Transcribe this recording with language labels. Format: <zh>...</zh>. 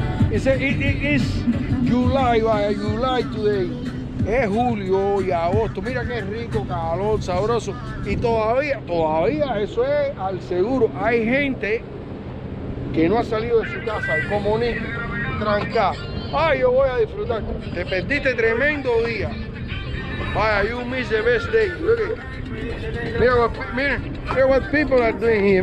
<es>Dice,</es> <en>it's July, July today.</en> <es>Es julio y agosto. Mira qué rico, calor, sabroso. Y todavía eso es al seguro. Hay gente que no ha salido de su casa, como ni trancada. Ay, yo voy a disfrutar. Te perdiste tremendo día. Vaya,</es> <en>you miss the best day. Look at it.</en> <es>Mira</es> <en>what people are doing here.</en>